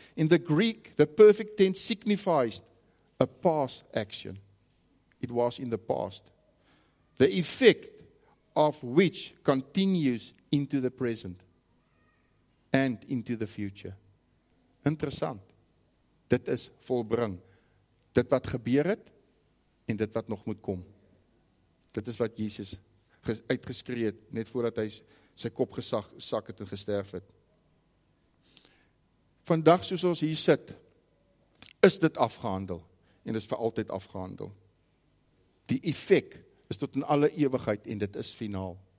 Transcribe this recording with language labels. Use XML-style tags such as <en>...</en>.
<en>In the Greek, the perfect tense signifies a past action. It was in the past. The effect of which continues into the present and into the future.</en> <af>Interessant. Dit is volbring. Dit wat gebeur het en dit wat nog moet kom. Dit is wat Jesus uitgeskree het net voordat hy sy kop gesak het en gesterf het. Vandag soos ons hier sit, is dit afgehandel en is vir altyd afgehandel. Die effek is tot in alle ewigheid en dit is finaal.</af>